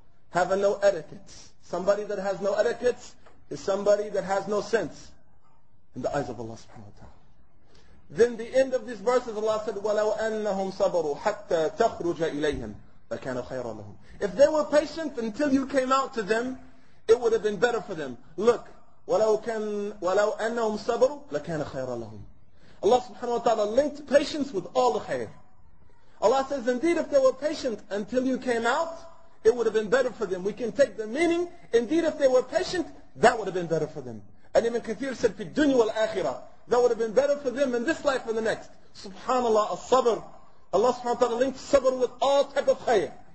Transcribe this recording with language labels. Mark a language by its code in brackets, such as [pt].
[en] Have a no etiquette. Somebody that has no etiquette is somebody that has no sense in the eyes of Allah subhanahu wa ta'ala. Then the end of this verse is Allah said, [ar] وَلَوْ أَنَّهُمْ صَبَرُوا حَتَّى تَخْرُجَ إِلَيْهِمْ فَكَانَ خَيْرًا لَهُمْ. [en] If they were patient until you came out to them, it would have been better for them. Look, [ar] وَلَوْ أَنَّهُمْ صَبَرُوا لَكَانَ خَيْرًا لَهُمْ. [en] Allah subhanahu wa ta'ala linked patience with all the khair. Allah says, indeed, if they were patient until you came out, it would have been better for them. We can take the meaning, indeed, if they were patient, that would have been better for them. And Ibn Kathir said, [ar] في الدنيا والآخرة, [en] that would have been better for them in this life and the next. Subhanallah, as-sabr. Allah subhanahu wa ta'ala linked sabr with all type of khayr.